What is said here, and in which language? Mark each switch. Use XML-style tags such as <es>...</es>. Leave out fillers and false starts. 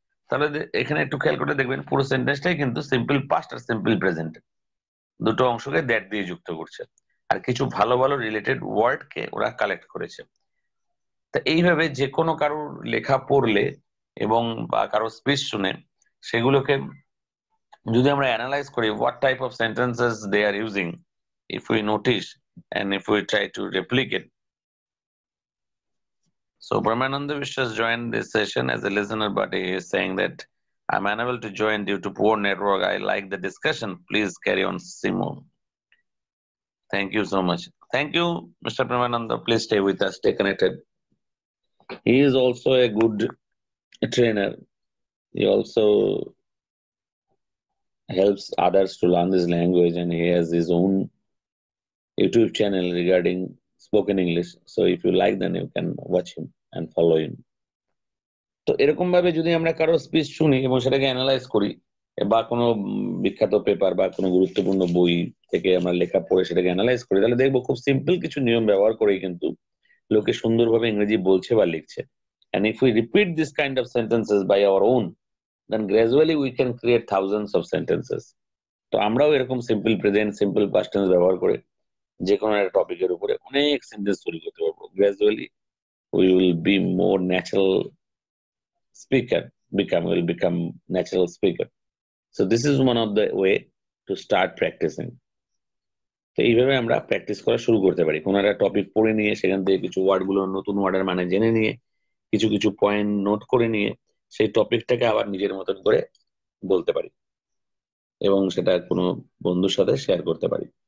<bn>তাহলে এখানে একটু খেয়াল করে দেখবেন, পুরো সেন্টেন্সটাই কিন্তু সিম্পল পাস্ট আর সিম্পল প্রেজেন্ট দুটো অংশকে দ্যাট দিয়ে যুক্ত করছে, আর কিছু ভালো ভালো রিলেটেড ওয়ার্ড কে ওরা কালেক্ট করেছে। তা এইভাবে যে কোনো কারোর লেখা পড়লে এবং বা কারো স্পিচ শুনে সেগুলোকে যদি আমরা অ্যানালাইজ করি, what type of sentences they are using, if we notice and if we try to replicate.</bn> <en>So, Brahmananda Vishwas joined this session as a listener, but he is saying that I'm unable to join due to poor network. I like the discussion. Please carry on, Simon. Thank you so much. Thank you, Mr. Brahmananda. Please stay with us. Stay connected. He is also a good trainer. He also helps others to learn this language, and he has his own YouTube channel regarding spoken English. So, if you like, then you can watch him and follow him.</en> <bn>তো এরকম ভাবে যদি আমরা কারো speech শুনি এবং সেটাকে analyse করি, বা কোনো বিখ্যাত পেপার বা কোনো গুরুত্বপূর্ণ বই থেকে আমরা লেখা পড়ে সেটাকে অ্যানালাইজ করি, তাহলে দেখবো খুব সিম্পল কিছু নিয়ম ব্যবহার করেই কিন্তু লোকে সুন্দরভাবে ইংরেজি বলছে বা লিখছে।</bn> <en>And if we repeat this kind of sentences by our own, then gradually we can create thousands of sentences.</en> <bn>তো আমরাও এরকম simple present, simple past tense ব্যবহার করে যে কোনো একটা টপিকের উপরে অনেক সেন্টেন্স তৈরি করতে পারবো।</bn> <en>Gradually we will be more natural speaker, become will become natural speaker. So this is one of the way to start practicing.</en> <bn>তো এইভাবে আমরা প্র্যাকটিস করা শুরু করতে পারি, কোন একটা টপিক পড়ে নিয়ে সেখান থেকে কিছু ওয়ার্ড গুলো নতুন ওয়ার্ডের মানে জেনে নিয়ে কিছু কিছু পয়েন্ট নোট করে নিয়ে সেই টপিকটাকে আবার নিজের মতন করে বলতে পারি এবং সেটা কোনো বন্ধুর সাথে শেয়ার করতে পারি।</bn>